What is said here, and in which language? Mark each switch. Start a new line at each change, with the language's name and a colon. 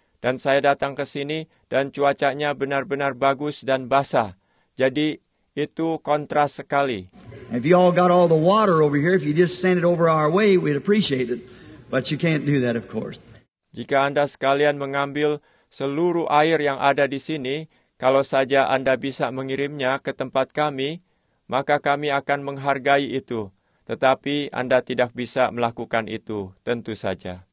Indonesian: Dan saya datang ke sini, dan cuacanya benar-benar bagus dan basah. Jadi, itu kontras sekali.
English: If you all got all the water over here, if you just send it over our way, we'd appreciate it. But you can't do that, of course.
Indonesian: Jika Anda sekalian mengambil seluruh air yang ada di sini, kalau saja Anda bisa mengirimnya ke tempat kami, maka kami akan menghargai itu. Tetapi Anda tidak bisa melakukan itu, tentu saja.